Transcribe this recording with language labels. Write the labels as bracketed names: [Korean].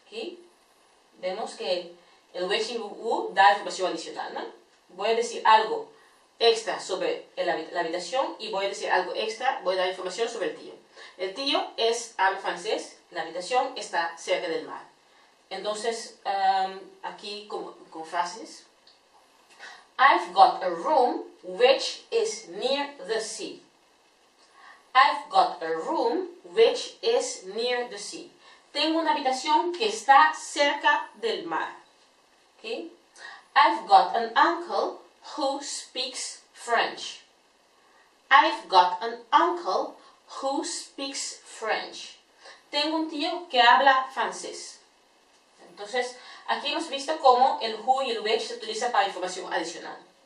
[Spanish] Aquí vemos que el which y el who da información adicional, ¿no? Voy a decir algo extra sobre la habitación y voy a decir algo extra, voy a dar información sobre el tío. El tío es habla francés, la habitación está cerca del mar. Entonces, aquí con frases. [English] I've got a room which is near the sea. I've got a room which is near the sea. [Spanish] Tengo una habitación que está cerca del mar. [English] Okay? I've got an uncle who speaks French. I've got an uncle who speaks French. [Spanish] Tengo un tío que habla francés. Entonces, aquí hemos visto cómo el who y el which se utiliza para información adicional.